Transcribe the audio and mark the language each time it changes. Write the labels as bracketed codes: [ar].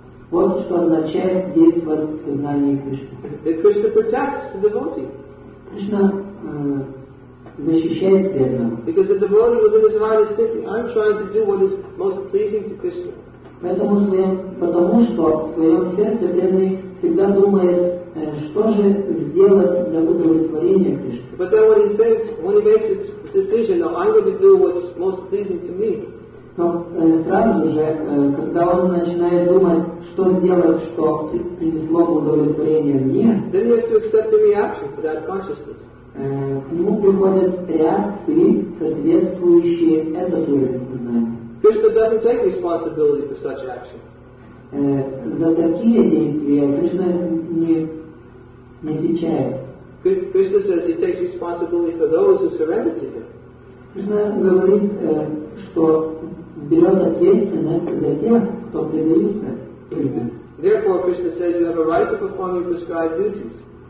[ru] Вот что означает действовать в сознании Кришны. [en] That Krishna protects the devotee. [ru] Кришна защищает преданного. [en] Because the devotee within his heart is thinking, I'm trying to do what is most pleasing to Krishna. [ru] Потому что в своем сердце преданный всегда думает, что же сделать для удовлетворения Кришны. [en] But then when he thinks, when he makes his decision, now I'm going to do what's most pleasing to me. [ru] Но сразу же, когда он начинает думать, что сделать, что принесло бы удовлетворение мне, [en] then he has to accept the reaction for that consciousness. [ru] К нему приходят реакции, соответствующие этому сознанию. [en] Krishna doesn't take responsibility for such action. [ru] За такие действия Кришна не отвечает. [en] Krishna says he takes responsibility for those who surrender to him. [ru] Кришна говорит, что берет ответственность за тех, кто предается Кришне. [en] Therefore, Krishna says you have a right to perform your prescribed duties.